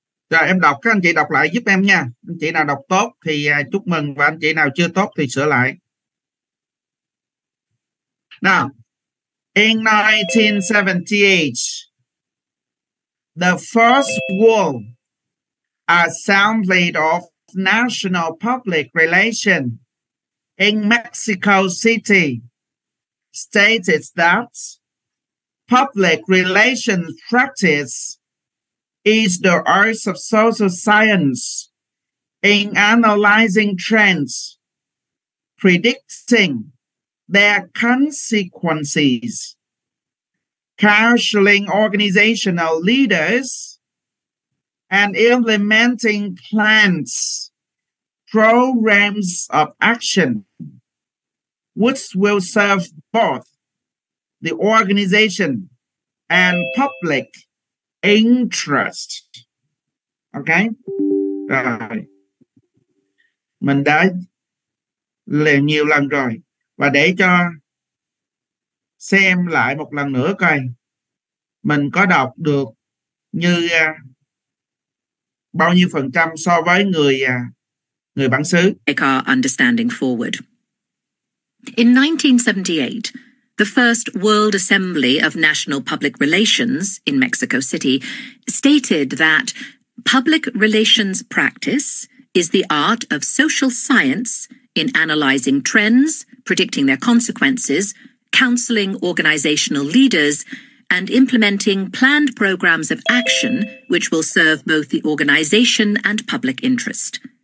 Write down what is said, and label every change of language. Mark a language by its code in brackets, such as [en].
[vi] Rồi em đọc, các anh chị đọc lại giúp em nha. Anh chị nào đọc tốt thì chúc mừng, và anh chị nào chưa tốt thì sửa lại. Nào. [en] In 1978, the First World Assembly of National Public Relations in Mexico City stated that public relations practice is the art of social science in analyzing trends, predicting their consequences, counseling organizational leaders, and implementing plans, programs of action, which will serve both the organization and public interest. [vi] Okay? Rồi. Mình đã luyện nhiều lần rồi. Và để cho xem lại một lần nữa coi mình có đọc được như bao nhiêu phần trăm so với người bản xứ. [en] Take our understanding forward. In 1978, the first World Assembly of National Public Relations in Mexico City stated that public relations practice is the art of social science in analyzing trends, predicting their consequences, counseling organizational leaders, and implementing planned programs of action which will serve both the organization and public interest.